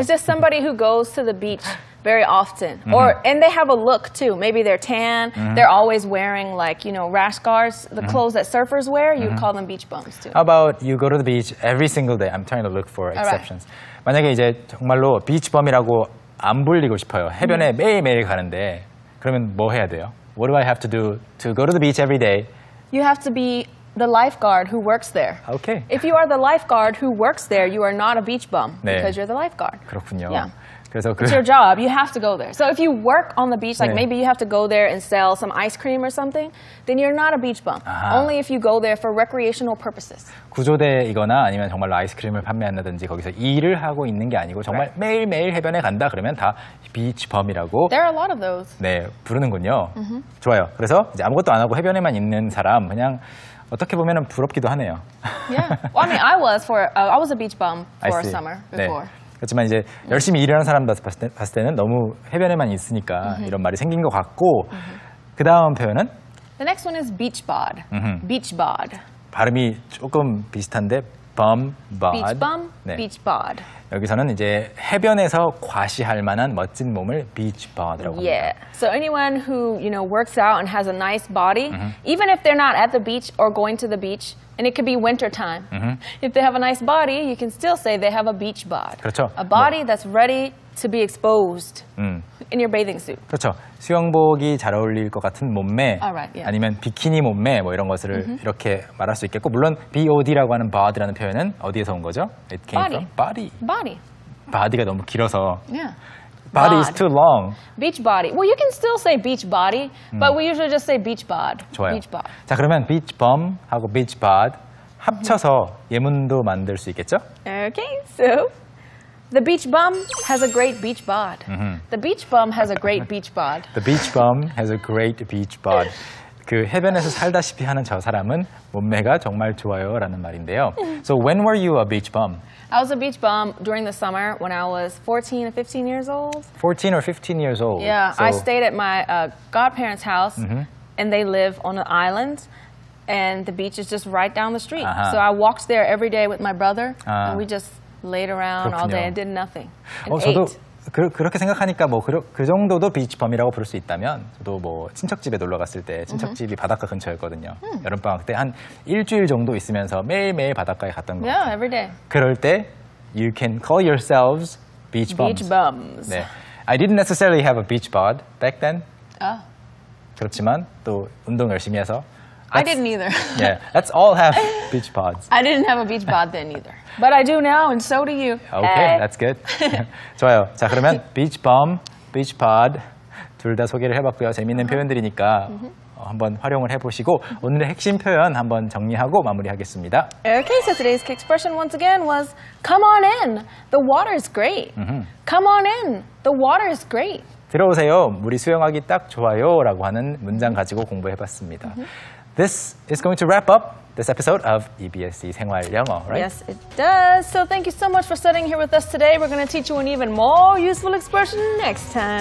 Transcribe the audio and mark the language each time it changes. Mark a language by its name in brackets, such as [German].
[English] It's just somebody who goes to the beach very often. Or, and they have a look too. Maybe they're tan. They're always wearing like, you know, rash guards, the clothes that surfers wear. You call them beach bums too. How about you go to the beach every single day? I'm trying to look for exceptions. [Korean] Right. 만약에 이제 정말로 beach bum이라고 안 불리고 싶어요. 해변에 매일매일 가는데 그러면 뭐 해야 돼요? [English] What do I have to do to go to the beach every day? You have to be the lifeguard who works there. Okay. If you are the lifeguard who works there, you are not a beach bum [Korean] 네. [English] because you're the lifeguard. [Korean] 그렇군요. [English] Yeah. [Korean] 그래서 그 [English] It's your job. You have to go there. So if you work on the beach, like 네. maybe you have to go there and sell some ice cream or something, then you're not a beach bum. 아하. Only if you go there for recreational purposes. [Korean] 구조대이거나 아니면 정말로 아이스크림을 판매한다든지 거기서 일을 하고 있는 게 아니고 정말 right. 매일매일 해변에 간다 그러면 다 beach bum이라고 [English] There are a lot of those. [Korean] 네, 부르는군요. 좋아요. 그래서 이제 아무것도 안 하고 해변에만 있는 사람, 그냥 어떻게 보면 부럽기도 하네요. [English] Yeah. Well, I mean, I was a beach bum for a summer before. [Korean] 네. 그렇지만 이제 열심히 일하는 사람들 봤을 때는 너무 해변에만 있으니까 이런 말이 생긴 것 같고 그 다음 표현은? [English] The next one is beach bod. Beach bod. [Korean] 발음이 조금 비슷한데 bum, bod. [English] Beach bum, 네. beach bod. [Korean] 여기서는 이제 해변에서 과시할 만한 멋진 몸을 beach bod라고 합니다. [English] Yeah. So anyone who you know works out and has a nice body, even if they're not at the beach or going to the beach, and it could be winter time, if they have a nice body, you can still say they have a beach bod. [Korean] 그렇죠. [English] A body 뭐. that's ready to be exposed in your bathing suit. [Korean] 그렇죠. 수영복이 잘 어울릴 것 같은 몸매, [English] right, yeah. [Korean] 아니면 비키니 몸매 뭐 이런 것을 이렇게 말할 수 있겠고 물론 bod라고 하는 bod라는 표현은 어디에서 온 거죠? [English] It came body. from body. Body. [Korean] Body가 너무 길어서. [English] Yeah. Body is too long. Beach body. Well, you can still say beach body, but we usually just say beach bod. [Korean] 좋아요. [English] Beach bod. [Korean] 자, 그러면 beach bum 하고 beach bod 합쳐서 예문도 만들 수 있겠죠? [English] Okay, so the beach bum has a great beach bod. The beach bum has a great beach bod. The beach bum has a great beach bod. [Korean] 그 해변에서 살다시피 하는 저 사람은 몸매가 정말 좋아요 라는 말인데요. [English] So when were you a beach bum? I was a beach bum during the summer when I was 14 or 15 years old. 14 or 15 years old. Yeah, so I stayed at my godparents' house and they live on an island and the beach is just right down the street. Uh-huh. So I walked there every day with my brother and we just laid around [Korean] 그렇군요. [English] all day and did nothing. And [Korean] 저도 그렇게 생각하니까 뭐 그 정도도 비치범이라고 부를 수 있다면 저도 뭐 친척집에 놀러 갔을 때 친척집이 바닷가 근처였거든요. 여름방학 때 한 일주일 정도 있으면서 매일매일 바닷가에 갔던 거 [English] yeah, every day. [Korean] 그럴 때 [English] you can call yourselves beach bums. Beach bums. [Korean] 네. [English] I didn't necessarily have a beach bod back then. Oh. [Korean] 그렇지만 또 운동 열심히 해서 [English] That's, I didn't either. yeah, let's all have beach bods. I didn't have a beach bod then either. But I do now, and so do you. Okay, that's good. [Korean] 좋아요. 자, 그러면 beach bum, beach bod 둘 다 소개를 해봤고요. 재미있는 표현들이니까 한번 활용을 해보시고 오늘의 핵심 표현 한번 정리하고 마무리하겠습니다. [English] Okay, so today's expression once again was come on in, the water is great. Come on in, the water is great. [Korean] 들어오세요. 물이 수영하기 딱 좋아요 라고 하는 문장 가지고 공부해봤습니다. [English] This is going to wrap up this episode of EBSe 생활영어, right? Yes, it does. So thank you so much for sitting here with us today. We're going to teach you an even more useful expression next time.